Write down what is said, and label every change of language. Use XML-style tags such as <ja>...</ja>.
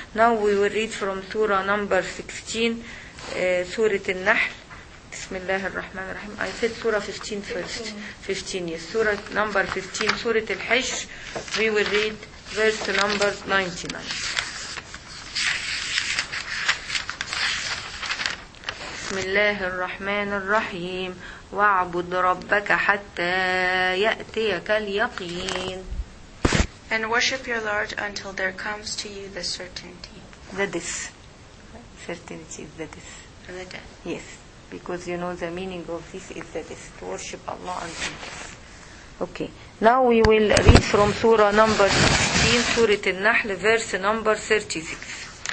<en>Now we will read from Surah number 16, Surah An-Nahl. Bismillah ar-Rahman ar-Rahim. I said Surah 15 first. 15, yes. Surah number 15, Surah Al-Hijr. We will read verse number 99.</en> <ar>بسم الله الرحمن الرحيم واعبد ربك حتى يأتيك اليقين.</ar> <en>And worship your Lord until there comes to you the certainty. The death. Certainty is the death. The death. Yes. Because you know the meaning of this is the death. To worship Allah until death. Okay. Now we will read from Surah number 16, Surah An-Nahl, verse number 36.</en>